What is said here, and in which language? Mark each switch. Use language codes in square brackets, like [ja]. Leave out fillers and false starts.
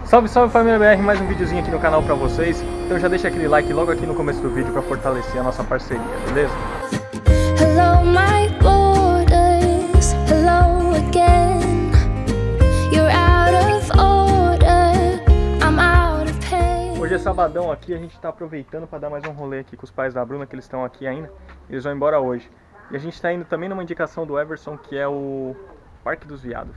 [pt] Salve, salve família BR, mais um videozinho aqui no canal pra vocês. Então já deixa aquele like logo aqui no começo do vídeo pra fortalecer a nossa parceria, beleza? [en] Hello, my borders, hello again. You're out of order, I'm out of pain. [pt] Hoje é sabadão aqui, a gente tá aproveitando pra dar mais um rolê aqui com os pais da Bruna, que eles estão aqui ainda. Eles vão embora hoje. E a gente tá indo também numa indicação do Everson, que é o Parque dos Veados.